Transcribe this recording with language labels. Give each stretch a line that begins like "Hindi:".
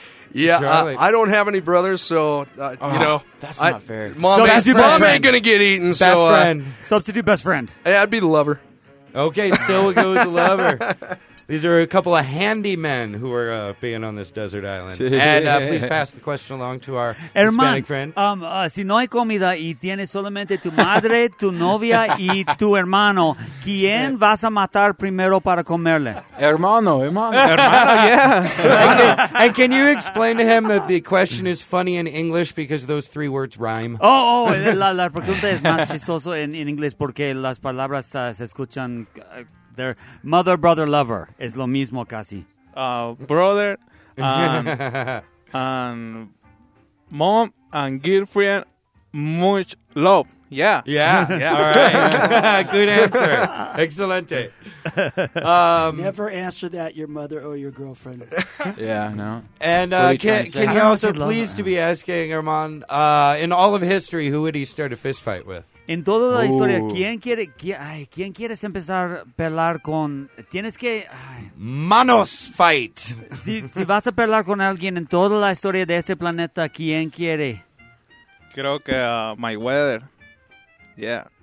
English: Yeah, I don't have any brothers, so, you know. That's not fair. Mom ain't going to get eaten. Best friend. Substitute best friend. Yeah, I'd be the lover. Okay, still we'll go with the lover. These are a couple of handy men who are being on this desert island. And please pass the question along to our Hispanic friend.
Spanish: Si no hay comida y tienes solamente tu madre, tu novia y tu hermano, ¿quién vas a matar primero para comerle? Hermano.
English: Yeah. And can you explain to him that the question is funny in English because those three words rhyme?
Spanish: Oh, la pregunta es más chistoso en inglés porque las palabras se escuchan...
English: Their mother, brother, lover is
Spanish: lo mismo casi.
English: Brother, mom, and girlfriend, much love. Yeah. Yeah. Yeah. All right. Good answer.
Spanish: Excelente.
English: Never answer that, your mother or your girlfriend. Yeah, no. And can you also please to be asking, Herman, in all of history, who would he start a fist fight with?
Spanish: En toda la historia, ¿quién quieres empezar a pelear con...? Tienes que... ¡Manos fight! Si vas a pelear con alguien en toda la historia de este planeta, ¿quién quiere? Creo que Mayweather. Yeah.